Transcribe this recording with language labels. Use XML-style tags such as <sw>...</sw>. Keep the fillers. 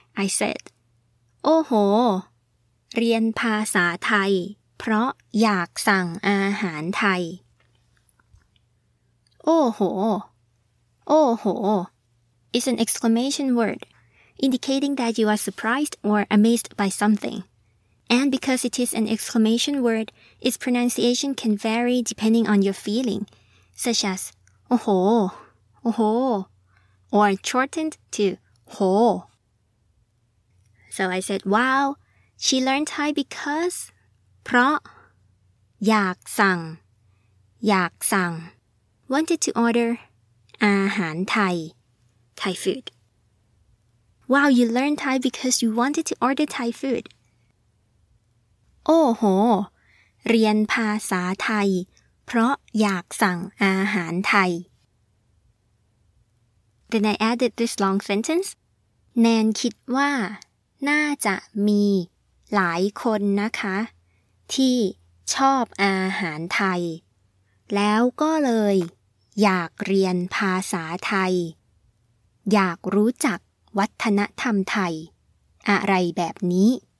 <en>I said,</en> <th>โอ้โห เรียนภาษาไทย เพราะอยากสั่งอาหารไทย</th> <en>โอ้โห โอ้โห is an exclamation word indicating that you are surprised or amazed by something. And because it is an exclamation word, its pronunciation can vary depending on your feeling, such as โอ้โห oho, or shortened to ho. So I said, wow, she learned Thai because</en> <th>เพราะอยากสั่ง อยากสั่ง</th> <en>wanted to order</en> <th>อาหารไทย</th> <en>Thai food. Wow, you learned Thai because you wanted to order Thai food.</en> <th>โอ้โห เรียนภาษาไทย เพราะอยากสั่งอาหารไทย</th> <en>Then I added this long sentence</en> <th>แนนคิดว่า น่าจะมีหลายคนนะคะ ที่ชอบอาหารไทย แล้วก็เลย อยากเรียนภาษาไทย อยากรู้จักวัฒนธรรมไทย อะไรแบบนี้</th>